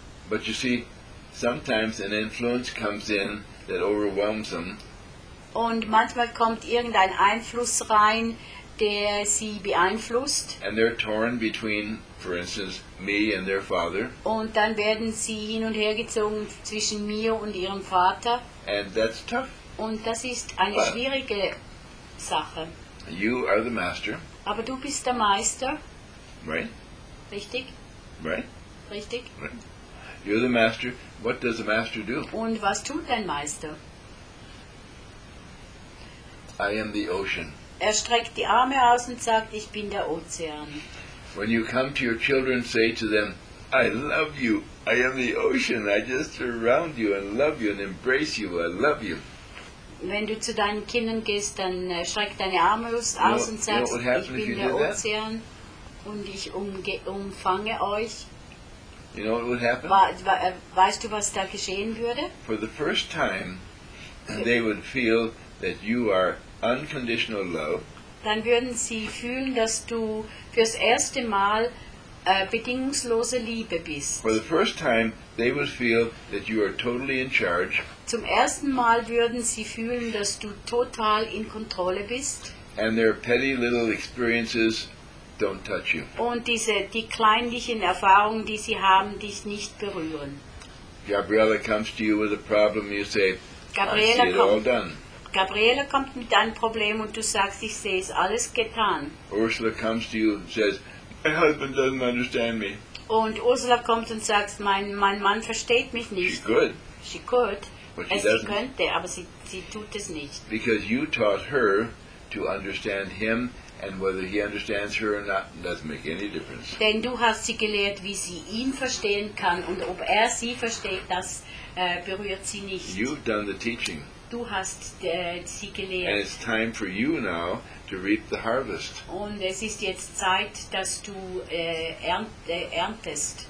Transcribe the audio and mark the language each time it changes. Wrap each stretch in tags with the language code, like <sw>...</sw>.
<en>But you see, sometimes an influence comes in that overwhelms them.</en> <de>Und manchmal kommt irgendein Einfluss rein, der sie beeinflusst.</de> <en>And they're torn between, for instance, me and their father.</en> <de>Und dann werden sie hin und her gezogen zwischen mir und ihrem Vater.</de> <en>And that's tough.</en> <de>Und das ist eine</de> <en>But</en> <de>schwierige Sache.</de> <en>You are the master.</en> <de>Aber du bist der Meister.</de> <en>Right.</en> <de>Richtig.</de> <en>Right.</en> <de>Richtig.</de> <en>Right. You're the master. What does the master do?</en> <de>Und was tut dein Meister?</de> <en>I am the ocean.</en> <de>Er streckt die Arme aus und sagt, ich bin der Ozean.</de> <en>When you come to your children, say to them, I love you, I am the ocean, I just surround you and love you and embrace you, I love you.</en> <de>Wenn du zu deinen Kindern gehst, dann streck deine Arme aus und sagst,</de> <en>you know,</en> <de>ich bin der Ozean und ich umfange euch.</de> <en>You know what would happen?</en> <de>Weißt du, was da geschehen würde?</de> <en>For the first time, they would feel that you are unconditional love.</en> <de>Dann würden sie fühlen, dass du fürs erste Mal bedingungslose Liebe bist.</de> <en>For the first time, they would feel that you are totally in charge.</en> <de>Zum ersten Mal würden sie fühlen, dass du total in Kontrolle bist.</de> <en>And their petty little experiences don't touch you.</en> <de>Und die kleinlichen Erfahrungen, die sie haben, dich nicht berühren.</de> <en>Gabriella comes to you with a problem, you say, Gabriella, I see it all done.</en> <de>Gabriele kommt mit deinem Problem und du sagst, ich sehe es, alles getan.</de> <en>Ursula comes to you and says, my husband doesn't understand me.</en> <de>Und Ursula kommt und sagt, mein Mann versteht mich nicht.</de> <en>She could. She could. But she doesn't.</en> <de>Sie könnte, aber sie tut es nicht.</de> <en>Because you taught her to understand him, and whether he understands her or not doesn't make any difference.</en> <de>Denn du hast sie gelehrt, wie sie ihn verstehen kann, und ob sie versteht, das berührt sie nicht.</de> <en>You've done the teaching.</en> <de>Du hast sie gelehrt.</de> <en>And it's time for you now to reap the harvest.</en> <de>Und es ist jetzt Zeit, dass du erntest.</de>